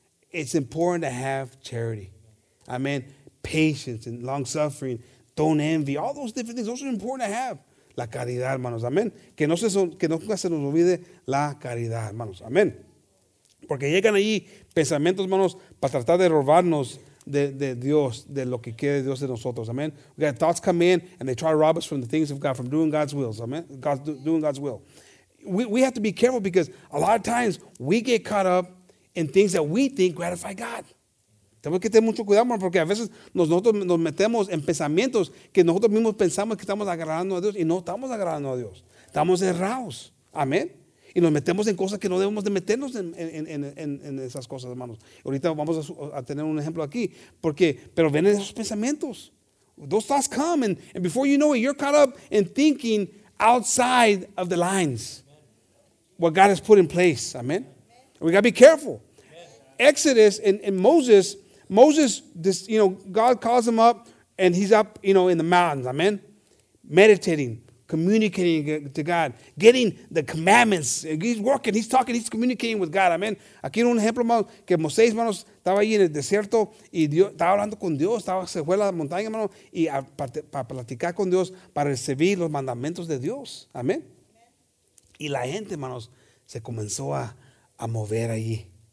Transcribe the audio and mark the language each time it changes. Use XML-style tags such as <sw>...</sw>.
<en>It's important to have charity. Amén. Patience and long-suffering. Don't envy. All those different things. Those are important to have.</en> <es>La caridad, hermanos.</es> <en>Amén.</en> <es>Que no nunca se nos olvide la caridad, hermanos. Amén. Porque llegan allí pensamientos, hermanos, para tratar de robarnos de Dios, de lo que quiere Dios de nosotros. Amén.</es> <en>We got thoughts come in and they try to rob us from the things of God, from doing God's will. Amén. Doing God's will. We have to be careful because a lot of times we get caught up in things that we think gratify God.</en> <es>Tenemos que tener mucho cuidado, porque a veces nosotros nos metemos en pensamientos que nosotros mismos pensamos que estamos agradando a Dios y no estamos agradando a Dios. Estamos errados. Amén. Y nos metemos en cosas que no debemos de meternos en esas cosas, hermanos. Ahorita vamos a tener un ejemplo aquí. Porque, pero ven esos pensamientos.</es> <en>Those thoughts come and before you know it, you're caught up in thinking outside of the lines. What God has put in place. Amén. We got to be careful. Exodus and Moses, this, you know, God calls him up and he's up, you know, in the mountains, amen, meditating, communicating to God, getting the commandments. He's working, he's talking, he's communicating with God, amen.</en> <es>Aquí un ejemplo, hermano, que Moisés, hermano, estaba ahí en el desierto y Dios, estaba hablando con Dios, estaba, se fue a la montaña, hermano, y para platicar con Dios, para recibir los mandamientos de Dios, amen. Y la gente, hermanos, se comenzó a mover allí.</es>